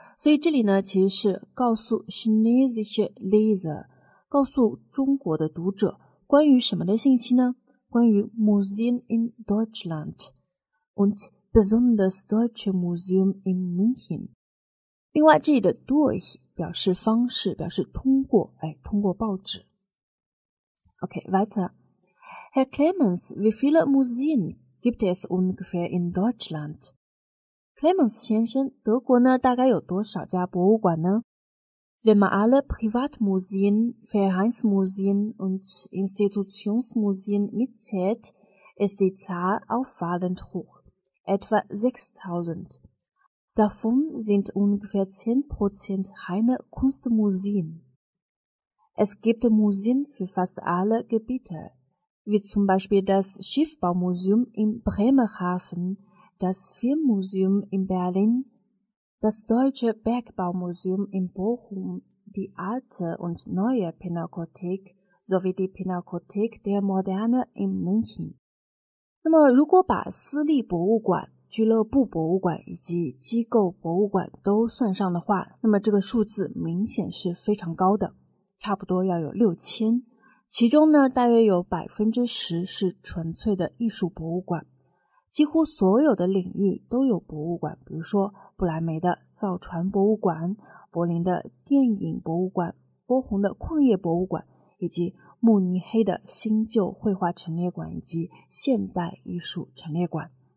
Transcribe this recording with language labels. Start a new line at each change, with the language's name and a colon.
Chinese: 所以这里呢其实是告诉
German: chinesische Leser,
Chinese: 告诉中国的读者关于什么的信息呢？关于
German: Museen in Deutschland und besonders Deutsche Museum in München。
Chinese: 另外这里的 durch 表示方式，表示通过，通过报纸。
German: OK, weiter. Herr Clemens, wie viele Museen gibt es ungefähr in Deutschland?
Chinese: Clemens 先生，德国呢大概有多少家博物馆呢？
German: Wenn man alle Privatmuseen, Vereinsmuseen und Institutionsmuseen mitzählt, ist die Zahl auffallend hoch, etwa 6000. Davon sind ungefähr 10% reine Kunstmuseen. Es gibt Museen für fast alle Gebiete. Wie zum Beispiel das Schiffbaumuseum in Bremerhaven, das Filmmuseum in Berlin, das Deutsche Bergbaumuseum in Bochum, die alte und neue Pinakothek sowie die Pinakothek der Moderne in München.
Chinese: 那么如果把私立博物馆、俱乐部博物馆以及机构博物馆都算上的话，那么这个数字明显是非常高的，差不多要有6000。其中呢大约有 10% 是纯粹的艺术博物馆，几乎所有的领域都有博物馆，比如说不来梅的造船博物馆、柏林的电影博物馆、波鸿的矿业博物馆以及慕尼黑的新旧绘画陈列馆以及现代艺术陈列馆。